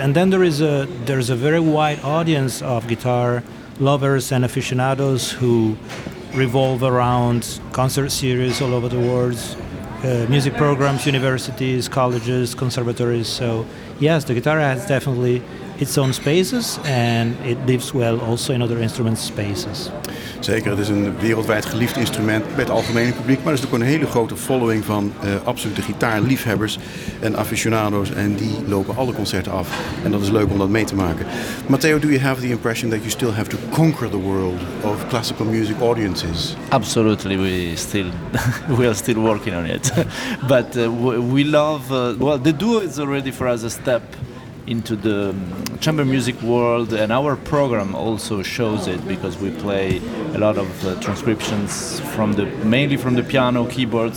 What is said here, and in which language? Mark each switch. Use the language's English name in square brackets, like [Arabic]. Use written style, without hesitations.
[English] And then there is a very wide audience of guitar lovers and aficionados who revolve around concert series all over the world, music programs, universities, colleges, conservatories. So yes, the guitar has definitely its own spaces and it lives well also in other instrument spaces. [Dutch] Zeker, het is een wereldwijd geliefd instrument bij het algemene publiek, maar er is ook een hele grote following van absolute gitaarliefhebbers en aficionados en die lopen alle concerten af. En dat is leuk om dat mee te maken. [English] Matteo, do you have the impression that you still have to conquer the world of classical music audiences? Absolutely, we are still working on it. But the duo is already for us a step into the chamber music world, and our program also shows it because we play a lot of transcriptions mainly from the piano, keyboard.